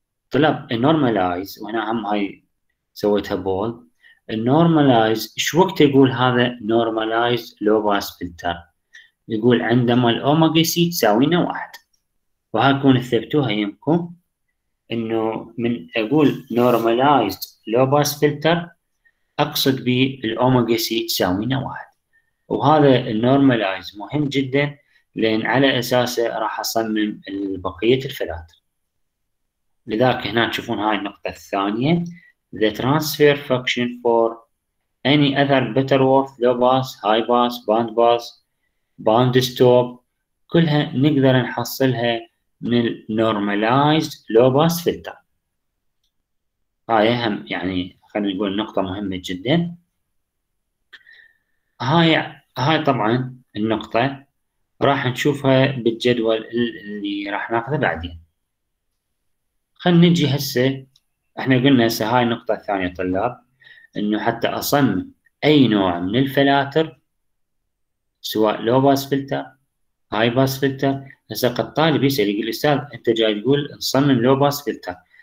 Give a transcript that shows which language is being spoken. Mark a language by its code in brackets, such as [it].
[ar] طلب النورماليز وهنا هم هاي سويتها بول، النورماليز ايش وقت يقول هذا نورماليز لو باس فلتر؟ يقول عندما الاوميجا سي تساوينا واحد، وها كون ثبتوها يمكن انه من اقول نورماليز لو باس فلتر اقصد بالاوميجا سي تساوينا واحد، وهذا النورماليز مهم جدا، لان على اساسه راح اصمم بقيه الفلاتر. لذلك هنا تشوفون هاي النقطه الثانيه، [en] the transfer function for any other Butterworth low pass, high pass, band pass, band stop، [ar] كلها نقدر نحصلها من [en] normalized low pass filter. [ar] هاي هم يعني خلينا نقول نقطة مهمة جدا. هاي طبعا النقطة راح نشوفها بالجدول اللي راح ناخذه بعدين. خلينا نجي هسه، احنا قلنا هسه هاي النقطة الثانية طلاب، انه حتى اصمم اي نوع من الفلاتر سواء لو باس فلتر هاي باس فلتر، هسه قد طالب يسأل يقول استاذ انت جاي تقول نصمم لو باس فلتر،